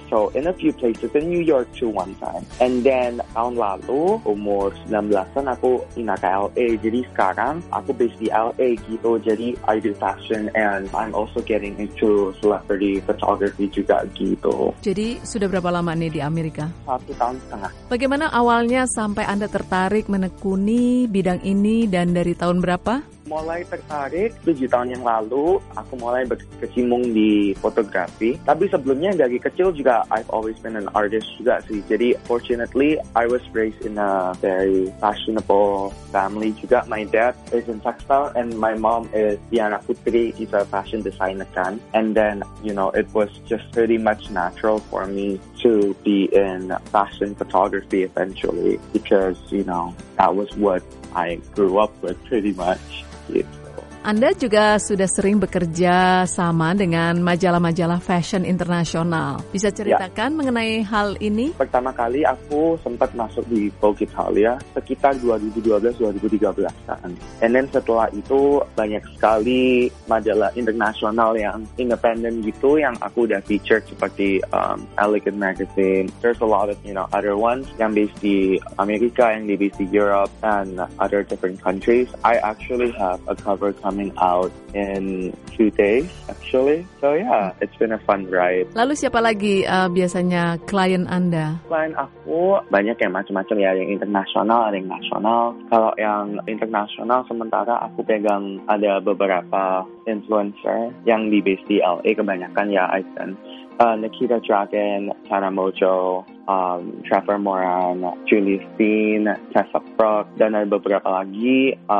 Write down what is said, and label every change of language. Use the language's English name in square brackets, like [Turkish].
[English] So in a few places, in New York too one time. And then [Indonesian] tahun lalu, umur 19-an, aku pindah ke LA. Jadi sekarang, aku based di LA gitu. [English] Jadi I do fashion and I'm also getting into celebrity photography [Indonesian] juga gitu. Jadi sudah berapa lama nih di Amerika? 1.5 tahun. Bagaimana awalnya sampai Anda tertarik menekuni bidang ini dan dari tahun berapa? Mulai tertarik 7 tahun yang lalu, aku mulai berkecimpung di fotografi. Tapi sebelumnya dari kecil juga, [English] I've always been an artist [Indonesian] juga sih. [English] Jadi fortunately, I was raised in a very fashionable family juga. My dad is in textile and my mom is Diana Putri. She's a fashion designer kan. And then, you know, it was just pretty much natural for me to be in fashion photography eventually. Because, you know, that was what I grew up with pretty much. [Indonesian] Anda juga sudah sering bekerja sama dengan majalah-majalah fashion internasional. Bisa ceritakan ya mengenai hal ini? Pertama kali aku sempat masuk di Vogue Italia sekitar 2012-2013 kan. [English] And then [Indonesian] setelah itu banyak sekali majalah internasional yang independent gitu yang aku udah featured seperti Elegant Magazine. [English] There's a lot of, you know, other ones [Indonesian] yang based di Amerika, yang based di [English] Europe and other different countries. I actually have a cover coming out in 2 days actually. So yeah, it's been a fun ride. [Indonesian] Lalu siapa lagi biasanya klien Anda? Klien aku banyak yang macam-macam ya, yang internasional, ada yang nasional. Kalau yang internasional sementara aku pegang ada beberapa influencer yang di base di LA kebanyakan ya, [English] I think. [Indonesian] Nikita Dragon, Tana Mojo, Trevor Moran, Julie Steen, Tessa Brock, dan ada beberapa lagi.